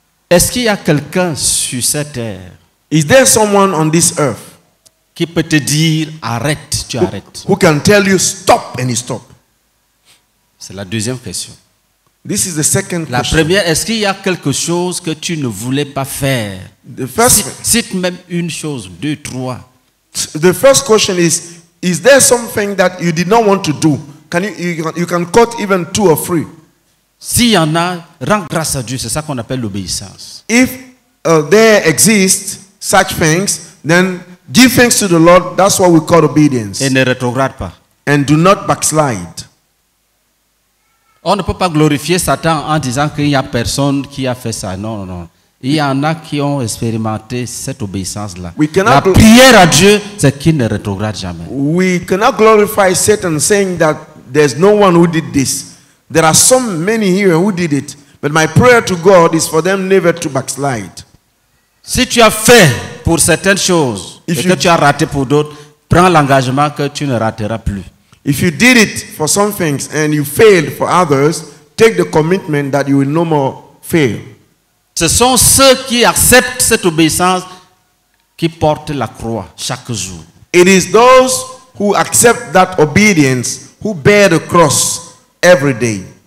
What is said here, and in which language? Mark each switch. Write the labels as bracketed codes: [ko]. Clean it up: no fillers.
[fr] Est-ce qu'il y a quelqu'un sur cette terre? [en] Is there someone on this earth? [fr] Qui peut te dire arrête, tu arrêtes? [en] Who can tell you stop and you stop? [fr] C'est la deuxième question. [en] This is the second [fr] question. La première, est-ce qu'il y a quelque chose que tu ne voulais pas faire? [en] The first, [fr] cite même une chose, deux, trois. [en] The first question is there something that you did not want to do? Can you can quote even two or three? [fr] S'il y en a, rends grâce à Dieu, c'est ça qu'on appelle l'obéissance. [en] If there exist such things, then give thanks to the Lord, that's what we call obedience. [fr] Et ne rétrograde pas. [en] And do not backslide. [fr] On ne peut pas glorifier Satan en disant qu'il n'y a personne qui a fait ça. Non, non, non. Il y en a qui ont expérimenté cette obéissance-là. La prière à Dieu, c'est qu'il ne rétrograde jamais. [en] We cannot glorify Satan saying that there's no one who did this. There are so many here who did it. But my prayer to God is for them never to backslide. [fr] Si tu as fait pour certaines choses, if et que tu as raté pour d'autres, prends l'engagement que tu ne rateras plus. [en] If you did it for some things and you failed for others, take the commitment that you will no more fail. [fr] Ce sont ceux qui acceptent cette obéissance qui portent la croix chaque jour. [en] It is those who accept that obedience who bear the cross every day.